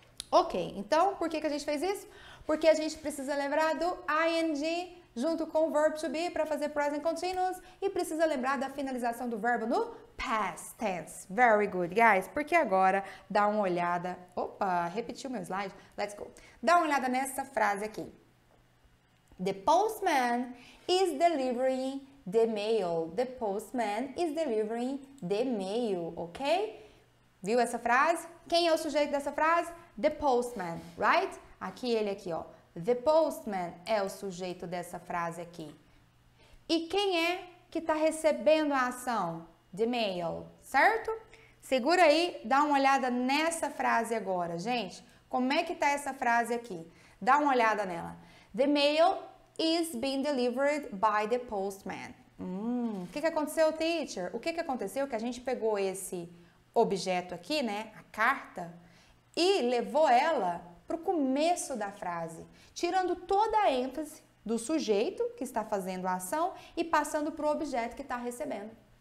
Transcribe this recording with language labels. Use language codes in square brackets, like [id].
[pt] Ok, então, por que que a gente fez isso? Porque a gente precisa lembrar do ing junto com o verb to be para fazer present continuous e precisa lembrar da finalização do verbo no past tense. [en] Very good, guys. [pt] Porque agora dá uma olhada. Opa, repetiu meu slide. [en] Let's go. [pt] Dá uma olhada nessa frase aqui. [en] The postman is delivering the mail. The postman is delivering the mail, ok? [pt] Viu essa frase? Quem é o sujeito dessa frase? [en] The postman, right? [pt] Aqui ele aqui, ó. The postman é o sujeito dessa frase aqui. E quem é que está recebendo a ação? The mail, certo? Segura aí, dá uma olhada nessa frase agora, gente. Como é que está essa frase aqui? Dá uma olhada nela. [en] The mail is being delivered by the postman. [pt] O que que aconteceu, teacher? O que que aconteceu? Que a gente pegou esse objeto aqui, né? A carta, e levou ela para o começo da frase, tirando toda a ênfase do sujeito que está fazendo a ação e passando para o objeto que está recebendo.